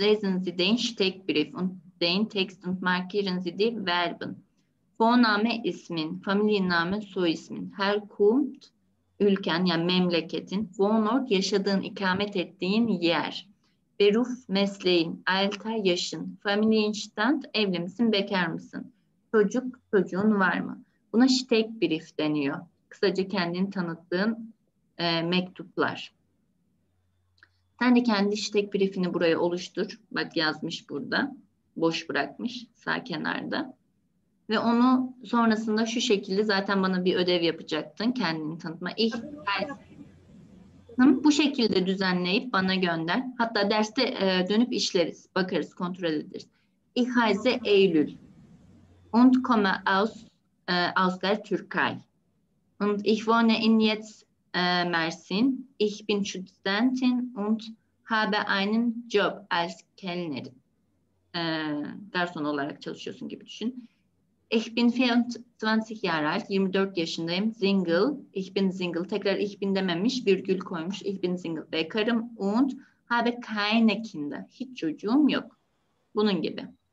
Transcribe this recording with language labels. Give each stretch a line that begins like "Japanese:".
German: Lesen Sie den Steckbrief und den Text und markieren Sie die Verben.
Turkish: Vorname ismin, Familienname soy ismin, Herkunft ülken ya yani memleketin, Wohnort yaşadığın, ikamet ettiğin yer, Beruf mesleğin, Alter yaşın, Familienstand evli misin, bekar mısın, çocuğun var mı? Buna Steckbrief deniyor. Kısaca kendini tanıttığın mektuplar. Sen de kendi Steckbrief'ini buraya oluştur. Bak yazmış burada. Boş bırakmış sağ kenarda. Ve onu sonrasında şu şekilde zaten bana bir ödev yapacaktın. Kendini tanıtma. Bu şekilde düzenleyip bana gönder. Hatta derste dönüp işleriz. Bakarız, kontrol ederiz.
German: Ich heiße Eylül. Und komme aus der Türkei. Und ich wohne in jetzt Mersin. Ich bin Studentin und habe einen Job als Kellnerin.
Turkish: Garson olarak çalışıyorsun gibi düşün.
German: Ich bin 24 Jahre alt.
Turkish: 24 yaşındayım.
German: Single. Ich bin single.
Turkish: Tekrar ich bin dememiş. Virgül koymuş.
German: Ich bin single.
Turkish: Bekarım.
German: Und habe keine Kinder.
Turkish: Hiç çocuğum yok. Bunun gibi.